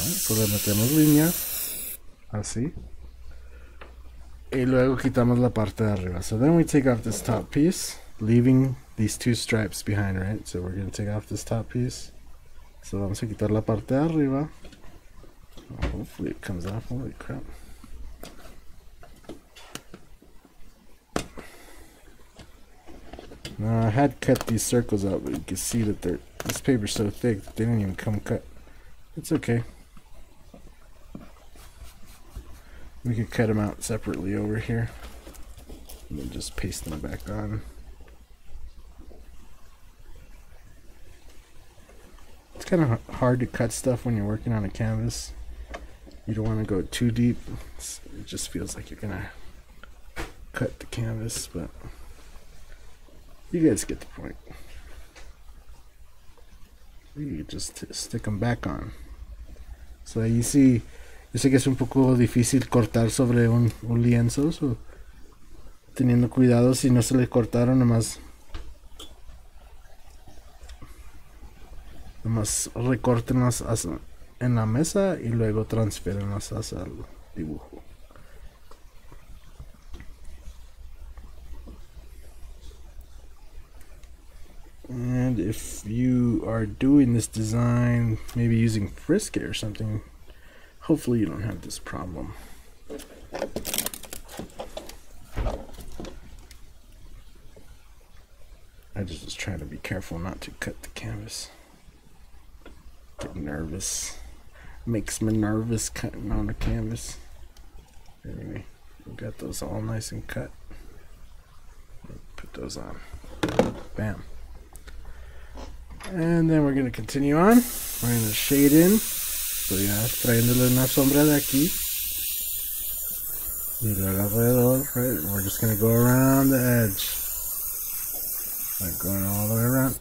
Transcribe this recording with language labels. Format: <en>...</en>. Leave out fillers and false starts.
<es>Le metemos línea así y luego quitamos la parte de arriba.</es> <en>So then we take off this top piece, leaving these two stripes behind, right? So we're going to take off this top piece.</en> <es>So vamos a quitar la parte de arriba.</es> <en>Hopefully it comes off. Holy crap. Now I had cut these circles out, but you can see that this paper's so thick that they didn't even come cut. It's okay. We could cut them out separately over here. and then just paste them back on. It's kind of hard to cut stuff when you're working on a canvas. You don't want to go too deep. It just feels like you're gonna cut the canvas, but you guys get the point. You just stick them back on. So you see,</en> <es>yo sé que es un poco difícil cortar sobre un lienzo, so teniendo cuidado si no se le cortaron, nomás recórtenlas en la mesa y luego transfierenlas hacia el dibujo.</es> <en>And if you are doing this design, maybe using Filigree or something, hopefully you don't have this problem. I just was trying to be careful not to cut the canvas. Get nervous. Makes me nervous cutting on the canvas. Anyway, we got those all nice and cut. Put those on. Bam. And then we're going to continue on. We're going to shade in.</en> <es>So ya trayéndole una sombra de aquí. Y luego alrededor, right?</es> <en>We're just going to go around the edge. Like going all the way around.</en>